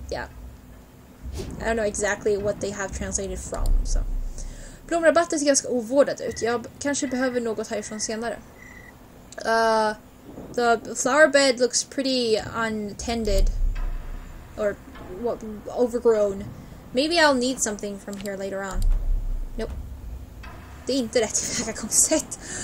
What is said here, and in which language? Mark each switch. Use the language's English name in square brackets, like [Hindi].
[English] Yeah. I don't know exactly what they have translated from, so... [Swedish] Blomrabatten ser ganska ovårdad ut. Jag kanske behöver något härifrån senare. [English] The flower bed looks pretty untended, or what, overgrown. Maybe I'll need something from here later on. Nope. [Swedish] Det är inte rätt tillvägagångssätt.